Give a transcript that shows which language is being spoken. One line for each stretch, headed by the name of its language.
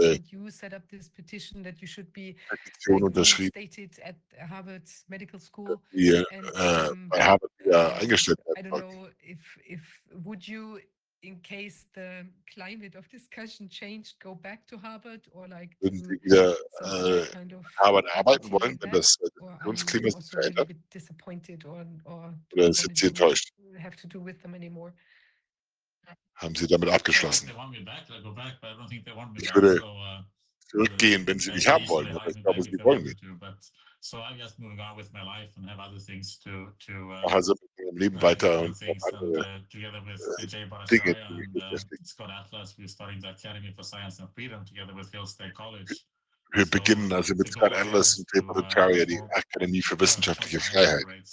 English: you set up this petition that you should be
German: unterschrieben.
English: Stated at Harvard Medical School.
German: Bei Harvard eingestellt.
English: I don't know if would you, in case the climate of discussion changed, go back to Harvard or like
German: in Harvard arbeiten wollen, wenn das Diskussionsklima sich verändert.
English: Disappointed
German: oder sind Sie enttäuscht?
English: Have to do with them anymore.
German: Haben Sie damit abgeschlossen? Ich würde zurückgehen, wenn Sie mich haben wollen, aber ich glaube, Sie wollen mich.
English: So I'm just moving on with my life and have other things to
German: also mit meinem Leben weiter und
English: together with Jay Bharatharya and Scott Atlas, we're starting the Academy for Science and Freedom together with Hill State College.
German: Wir beginnen also mit Scott Atlas und Jay Bharatharya, die Akademie für wissenschaftliche Freiheit.